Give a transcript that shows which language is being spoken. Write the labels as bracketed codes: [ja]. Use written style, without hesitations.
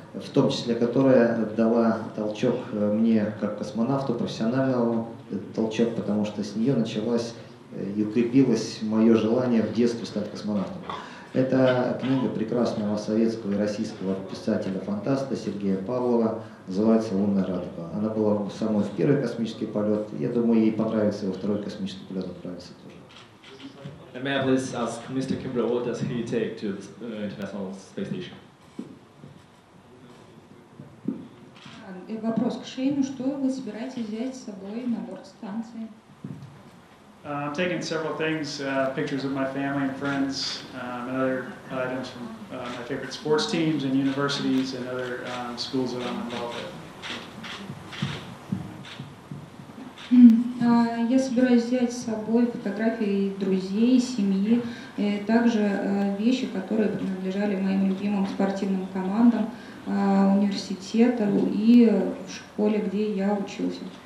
[ru] в том числе, которая дала толчок мне как космонавту, профессиональному толчок, потому что с нее началось и укрепилось мое желание в детстве стать космонавтом. Это книга прекрасного советского и российского писателя-фантаста Сергея Павлова, называется «Лунная радуга». Она была самой в первый космический полет, я думаю, ей понравится и во второй космический полет отправиться тоже. [en] And may I please ask Mr. Kimbrel, what does he take to the International Space Station? [ru] И вопрос к Шейну, что вы собираетесь взять с собой на борт станции? [en] I'm taking several things, pictures of my family and friends, and other items from my favorite sports teams and universities and other schools that I'm involved with. [ru] Я собираюсь взять с собой фотографии друзей, семьи, также вещи, которые принадлежали моим любимым спортивным командам, университета и в школе, где я учился.